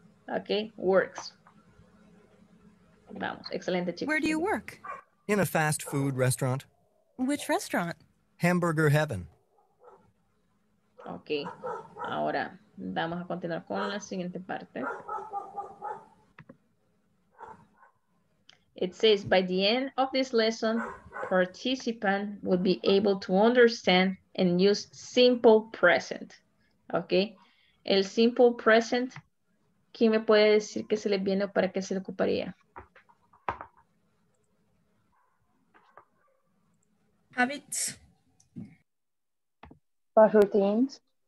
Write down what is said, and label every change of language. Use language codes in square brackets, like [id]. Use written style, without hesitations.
[en] Okay, works. [es] Vamos, excelente, chicos. [en] Where do you work? In a fast food restaurant. Which restaurant? Hamburger Heaven. [es] Okay, ahora vamos a continuar con la siguiente parte. [en] It says, by the end of this lesson, participant would be able to understand and use simple present. Okay. [es] El simple present, ¿quién me puede decir qué se le viene o para qué se le ocuparía? [en] Habits. For routines.